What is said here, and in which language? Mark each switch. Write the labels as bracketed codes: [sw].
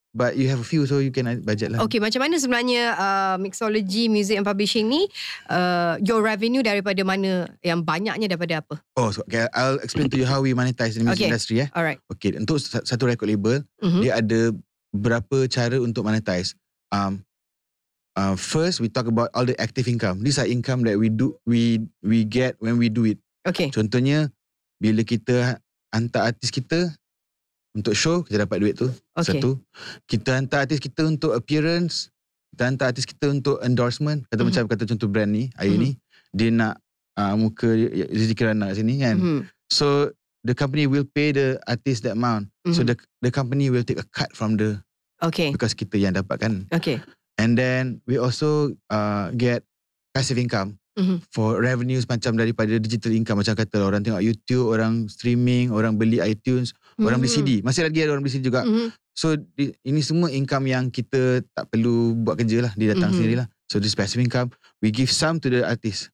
[en] but you have a few, so you can budget lah. [ms] Okay, macam mana sebenarnya mixology, [en] music and publishing [ms] ni, [en] your revenue [ms] daripada mana yang banyaknya daripada apa? [en] Oh, so, okay. I'll explain to you how we monetize in the music industry. Eh. Alright. [ms] Okay, untuk satu record label, mm-hmm. dia ada berapa cara untuk monetize. [en] First, we talk about all the active income. These are income that we get when we do it. Okay. [ms] Contohnya, bila kita hantar artis kita untuk show, kita dapat duit tu. [en] Okay. [ms] Satu. Kita hantar artis kita untuk appearance. Kita hantar artis kita untuk endorsement. Kata mm-hmm. macam kata contoh brand ni, Ayu mm-hmm. ni. Dia nak muka Zizi Kirana kat sini kan. Mm-hmm. [en] So, the company will pay the artist that amount. Mm-hmm. So the company will take a cut from the... Okay. Because [ms] kita yang dapatkan. [en] Okay. And then we also get passive income. Mm-hmm. For revenues [ms] macam daripada digital income. Macam kata orang tengok YouTube, orang streaming, orang beli iTunes, mm-hmm. orang beli CD. Masih lagi ada orang beli CD juga. Mm-hmm. So ini semua income yang kita tak perlu buat kerja lah. Dia datang mm-hmm. sendiri lah. [en] So this passive income, we give some to the artist.